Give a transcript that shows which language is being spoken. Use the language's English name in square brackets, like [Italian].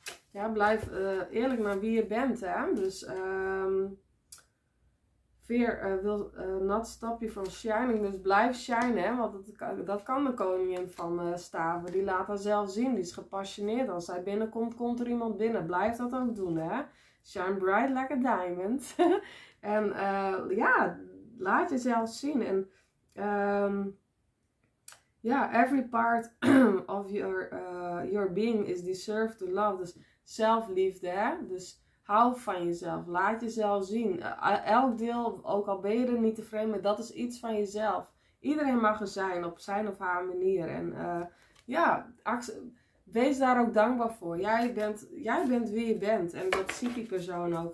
[Dutch] Ja, blijf eerlijk naar wie je bent. Hè? Dus Veer wil nat stapje van shining. Dus blijf shine. Hè? Want dat kan de koningin van staven. Die laat haar zelf zien. Die is gepassioneerd. Als zij binnenkomt, komt er iemand binnen. Blijf dat ook doen. Hè? [English] Shine bright like a diamond. [Dutch] En ja, laat jezelf zien. En ja, [English] every part of your being is deserved to love. [Dutch] Dus zelfliefde. Hè? Dus hou van jezelf. Laat jezelf zien. Elk deel, ook al ben je er niet tevreden mee, dat is iets van jezelf. Iedereen mag er zijn op zijn of haar manier. En ja, wees daar ook dankbaar voor. Jij bent wie je bent. En dat ziet die persoon ook.